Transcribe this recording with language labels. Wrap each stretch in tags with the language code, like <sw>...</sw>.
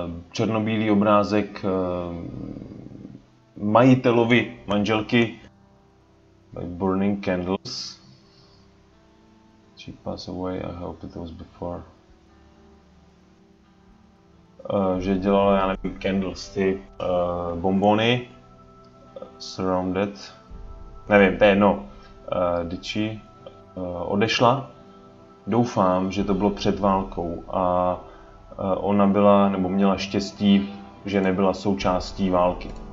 <cs>Černobílý obrázek majitelovi manželky.</cs> <en>By burning candles. She passed away, I hope it was before.</en> <cs>Že dělala, já nevím, candles, ty bombony. Surrounded. Nevím, to je jedno. Dičí. Odešla. Doufám, že to bylo před válkou. A ona byla, nebo měla štěstí, že nebyla součástí války.</cs>